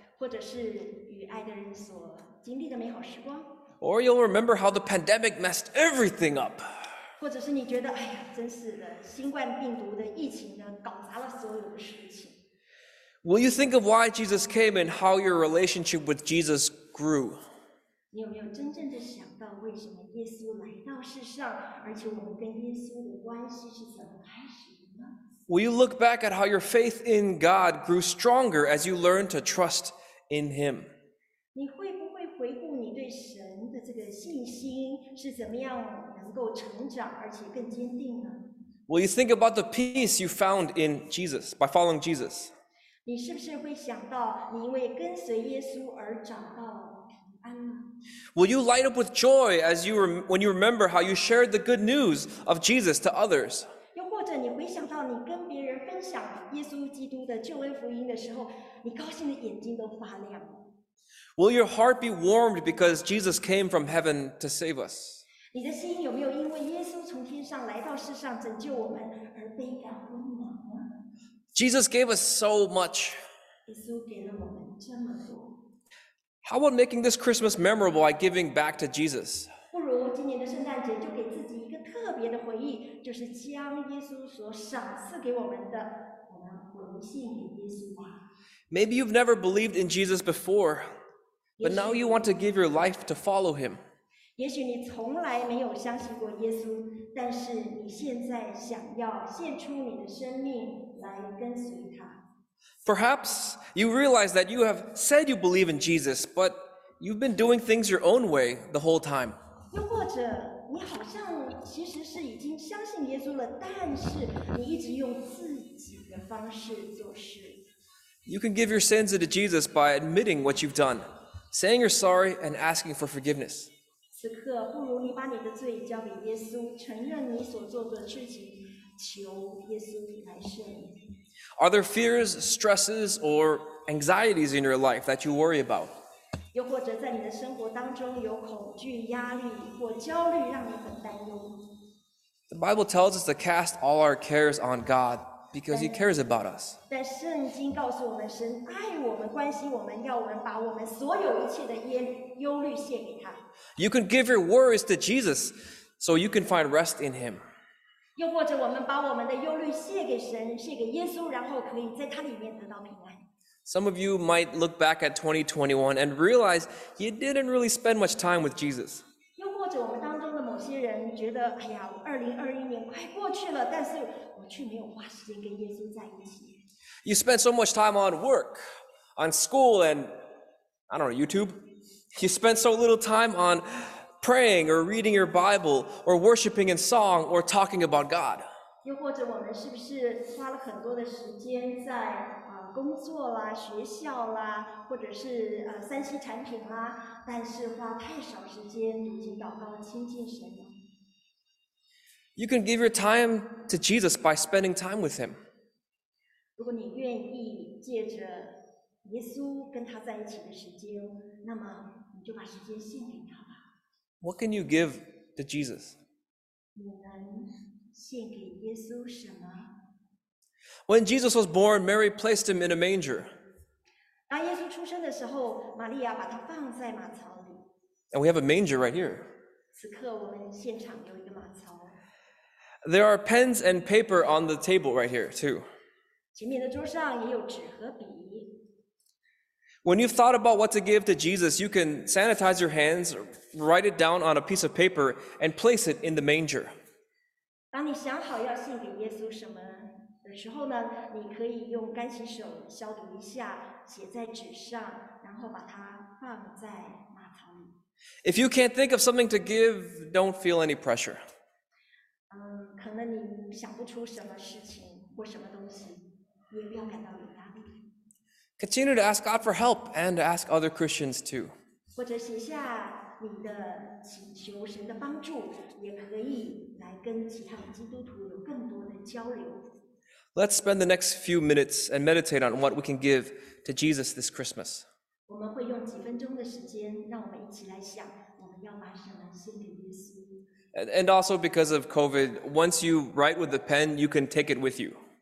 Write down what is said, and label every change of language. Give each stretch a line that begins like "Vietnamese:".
Chinese: 或者是与爱的人所经历的美好时光。
English: Or you'll remember how the pandemic messed everything up.
Chinese: 或者是你觉得，哎呀，真是的，新冠病毒的疫情呢，搞砸了所有的事情。
English: Will you think of why Jesus came and how your relationship with Jesus grew?
Chinese: 你有没有真正的想到为什么耶稣来到世上，而且我们跟耶稣的关系是怎么开始的呢？
English: Will you look back at how your faith in God grew stronger as you learned to trust in Him?
Chinese: 你会不会回顾你对神的这个信心是怎么样能够成长而且更坚定呢？
English: Will you think about the peace you found in Jesus by following Jesus?
Chinese: 你是不是会想到你因为跟随耶稣而找到平安呢？
English: Will you light up with joy as you when you remember how you shared the good news of Jesus to others?
Chinese: 你回想到你跟别人分享耶稣基督的救恩福音的时候，你高兴的眼睛都发亮。
English: Will your heart be warmed because Jesus came from heaven to save us?
Chinese: 你的心有没有因为耶稣从天上来到世上拯救我们而倍感温暖呢？
English: Jesus gave us so much.
Chinese: 耶稣给了我们这么多。
English: How about making this Christmas memorable by giving back to Jesus?
Chinese: 不如今年的圣诞节就给自己一个特别的回忆。就是将耶稣所赏赐给我们的，我们回献给耶稣吧。
English: Maybe you've never believed in Jesus before, but now you want to give your life to follow him.
Chinese: 也许你从来没有相信过耶稣，但是你现在想要献出你的生命来跟随他。
English: Perhaps you realize that you have said you believe in Jesus, but you've been doing things your own way the whole time.
Chinese: 又或者你好像其实是已经相信耶稣了，但是你一直用自己的方式做事。
English: You can give your sins to Jesus by admitting what you've done, saying you're sorry and asking for forgiveness.
Chinese: 此刻，不如你把你的罪交给耶稣，承认你所做的事情，求耶稣来赦免。
English: Are there fears, stresses, or anxieties in your life that you worry about?
Chinese: 又或者在你的生活当中有恐惧、压力或焦虑，让你很担忧。
English: The Bible tells us to cast all our cares on God because He cares about us.
Chinese: 但圣经告诉我们，神爱我们，关心我们，要我们把我们所有一切的忧虑献给他。
English: You can give your worries to Jesus, so you can find rest in Him.
Chinese: 又或者我们把我们的忧虑献给神，献给耶稣，然后可以在他里面得到平安。
English: Some of you might look back at 2021 and realize you didn't really spend much time with Jesus.
Chinese: 又或者我们当中的某些人觉得，哎呀，2021年快过去了，但是我却没有花时间跟耶稣在一起。
English: You spent so much time on work, on school, and I don't know, YouTube. You spent so little time on praying or reading your Bible or worshiping in song or talking about God.
Chinese: 又或者我们是不是花了很多的时间在？工作啦，学校啦，或者是三C产品啦，但是花太少时间读经祷告亲近神了。
English: You can give your time to Jesus by spending time with Him.
Chinese: 如果你愿意借着耶稣跟他在一起的时间，那么你就把时间献给他吧。
English: What can you give to Jesus?
Chinese: 你能献给耶稣什么？
English: When Jesus was born, Mary placed him in a manger.
Chinese: 当耶稣出生的时候，玛利亚把他放在马槽里。
English: And we have a manger right here.
Chinese: 此刻我们现场有一个马槽。
English: There are pens and paper on the table right here too.
Chinese: 前面的桌上也有纸和笔。
English: When you've thought about what to give to Jesus, you can sanitize your hands, write it down on a piece of paper, and place it in the manger.
Chinese: 当你想好要献给耶稣什么？时候呢，你可以用干洗手消毒一下，写在纸上，然后把它放在马槽里。
English: If you can't think of something to give, don't feel any pressure.
Chinese: 可能你想不出什么事情或什么东西，也不要感到有压力。
English: Continue to ask God for help and ask other Christians too.
Chinese: 或者写下你的请求神的帮助，也可以来跟其他的基督徒有更多的交流。
English: Let's spend the next few minutes and meditate on what we can give to Jesus this Christmas.
Chinese: 我们会用几分钟的时间，让我们一起来想，我们要把什么献给耶稣。
English: And also because of COVID, once you write with the pen, you can take it with you.